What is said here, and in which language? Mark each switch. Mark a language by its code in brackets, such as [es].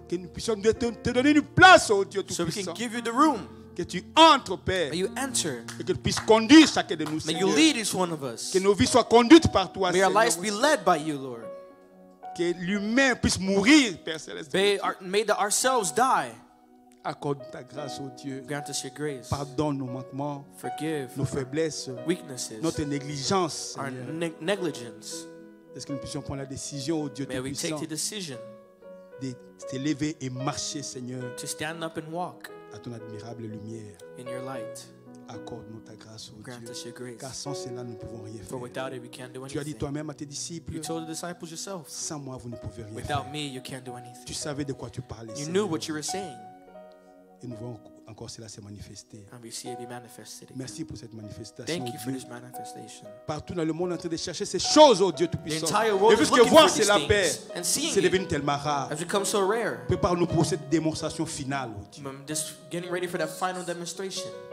[fr] Que nous puissions te donner une place, oh Dieu Tout-Puissant. [en] So we can give you the room. [fr] Que tu entres, Père. [en] May you enter. [fr] Et que tu puisses conduire chacun de nous, [en] Seigneur. May you lead each one of us. [fr] Que nos vies soient conduites par toi, [en] Seigneur. May our lives be led by you, Lord. [fr] Que l'humain puisse mourir, Père Céleste. [en] May the ourselves die. [fr] Accorde ta grâce, oh Dieu. [en] Grant us your grace. [fr] Pardonne nos manquements. [en] Forgive [fr] nos faiblesses. [en] Weaknesses. [fr] Notre négligence. [en] Our negligence. [fr] Est-ce que nous puissions prendre la décision, oh Dieu [en] may [fr] Tout-Puissant. [en] May we take the decision. [fr] De t'élever et marcher, Seigneur. [en] To stand up and walk. [fr] À ton admirable lumière. [en] In your light. [fr] Accorde-nous ta grâce, oh [en] grant [fr] Dieu. [en] Us your grace. [fr] Car sans cela, nous ne pouvons rien [en] for For without it, we can't do anything. [fr] Tu as dit toi-même à tes disciples. [en] You told the disciples yourself. [fr] Sans moi, vous ne pouvez rien [en] without Without me, you can't do anything. [fr] Tu savais de quoi tu parlais, [en] you [fr] Seigneur. [en] Knew what you were saying. [fr] Et nous voyons encore cela se manifester. [en] And we see it be manifested again. [fr] Merci pour cette manifestation. [en] Thank you for this manifestation. [fr] Partout dans le monde, en train de chercher ces choses, oh Dieu Tout-Puissant. Et puisque voir cela paix, c'est devenu tellement rare. [en] It's become so rare. [fr] Prépare-nous pour cette démonstration finale, oh Dieu. [en] I'm just getting ready for that final demonstration.